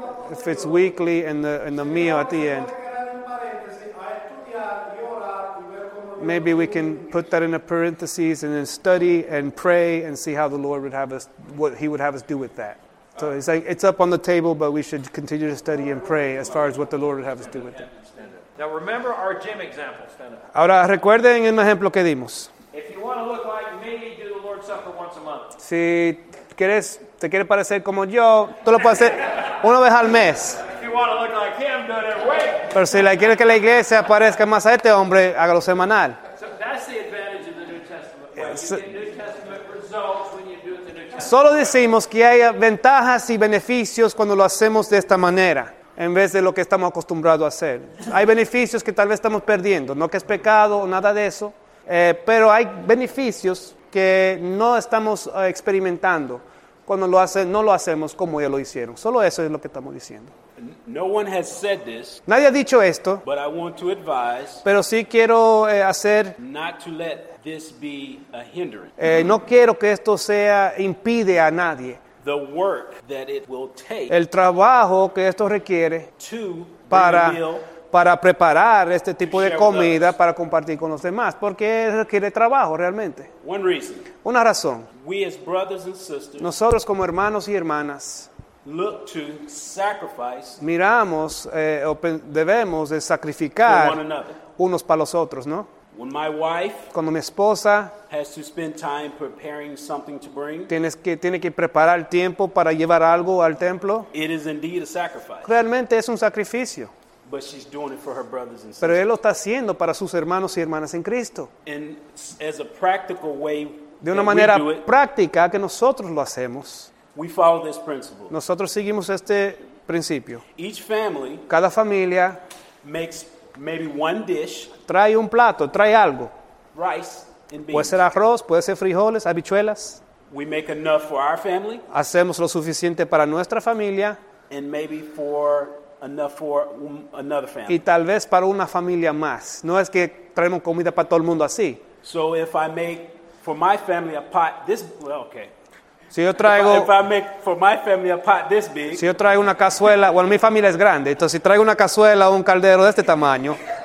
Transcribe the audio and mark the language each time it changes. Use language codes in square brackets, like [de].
[en] If it's weekly and the meal at the end, maybe we can put that in a parenthesis and then study and pray and see how the Lord would have us, what He would have us do with that. So it's like it's up on the table, but we should continue to study and pray as far as what the Lord would have us do with it. Now remember our gym example. [es] Ahora recuerden el ejemplo que dimos. [en] If you want to look like me, do the Lord's Supper once a month. [es] Si quieres, te quieres parecer como yo, tú lo puedes hacer una vez al mes. [en] If you want to look like him, do it every week. [es] Pero si le quieres que la iglesia parezca más a este hombre, hágalo semanal. [en] So that's the advantage of the New Testament. You get New Testament results when you do it the New Testament. [es] Solo decimos que hay ventajas y beneficios cuando lo hacemos de esta manera. En vez de lo que estamos acostumbrados a hacer. Hay beneficios que tal vez estamos perdiendo. No que es pecado o nada de eso. Pero hay beneficios que no estamos experimentando cuando no lo hacemos como ellos lo hicieron. Solo eso es lo que estamos diciendo. [en] No one has said this, [es] nadie ha dicho esto. [en] But I want to advise, [es] pero sí quiero hacer... [en] Not to let this be a hindrance. [es] No quiero que esto sea impide a nadie. [en] The work that it will take, [es] el trabajo que esto requiere [en] to [es] para preparar este tipo de comida para compartir con los demás, porque requiere trabajo realmente. [en] One reason, [es] una razón. [en] We as brothers and sisters, [es] nosotros como hermanos y hermanas [en] look to sacrifice, [es] miramos debemos de sacrificar [en] for one another. [es] Unos para los otros, ¿no? [en] When my wife, [es] cuando mi esposa [en] has to spend time preparing something to bring, [es] tiene que preparar el tiempo para llevar algo al templo, [en] it is indeed a sacrifice. [es] Realmente es un sacrificio. [en] But she's doing it for her brothers and sisters. [es] Pero él lo está haciendo para sus hermanos y hermanas en Cristo. [en] And as a practical way, [es] de una manera práctica que nosotros lo hacemos, [en] we follow this principle. [es] Nosotros seguimos este principio. [en] Each family, [es] cada familia [en] makes maybe one dish, [es] trae un plato, trae algo. [en] Rice and beans. [es] Puede ser arroz, puede ser frijoles, habichuelas. [en] We make enough for our family. [es] Hacemos lo suficiente para nuestra familia. [en] And maybe for enough for another family. [es] Y tal vez para una familia más. No es que traemos comida para todo el mundo así. [en] So if I make for my family a pot this, well, okay. [es] Si yo traigo, [en] if I make for my family a pot this big, [es] si yo traigo una cazuela, bueno, mi familia es grande, entonces si traigo una cazuela o un caldero de este tamaño,